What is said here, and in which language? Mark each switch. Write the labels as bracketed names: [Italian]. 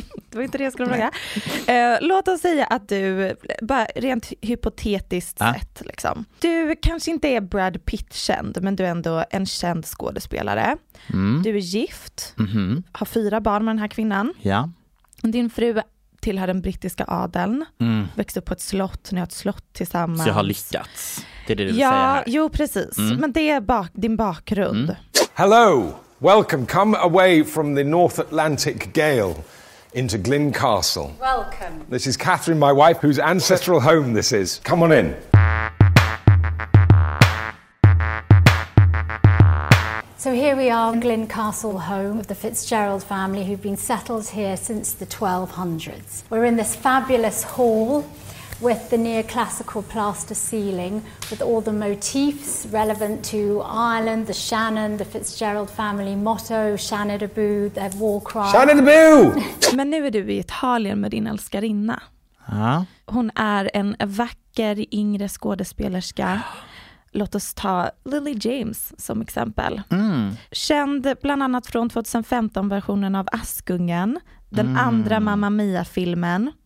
[Swedish] Det var inte det jag skulle fråga. Låt oss säga att du, bara rent hypotetiskt sett, liksom, du kanske inte är Brad Pitt-känd, men du är ändå en känd skådespelare. Mm. Du är gift, mm-hmm. har 4 barn med den här kvinnan. Ja. Din fru tillhör den brittiska adeln, växte upp på ett slott, ni har ett slott tillsammans. Så jag har lyckats, det är det du ja, säger här. Jo, precis. Mm. Men det är din bakgrund. Mm. [English] Hello, welcome. Come away from the North Atlantic gale into Glencastle. Welcome. This is Catherine, my wife, whose ancestral home this is. Come on in. So here we are in Glencastle, home of the Fitzgerald family, who've been settled here since the 1200s. We're in this fabulous hall with the neoclassical plaster ceiling, with all the motifs relevant to Ireland, the Shannon, the Fitzgerald family motto, Shannon Abu, their war cry. [Irish] Shannon Abu! [Swedish] Men nu är du i Italien med din älskarinna. Ja. Hon är en vacker yngre skådespelerska. Låt oss ta Lily James som exempel. Mm. Känd bland annat från 2015-versionen av Askungen, den andra Mamma Mia-filmen.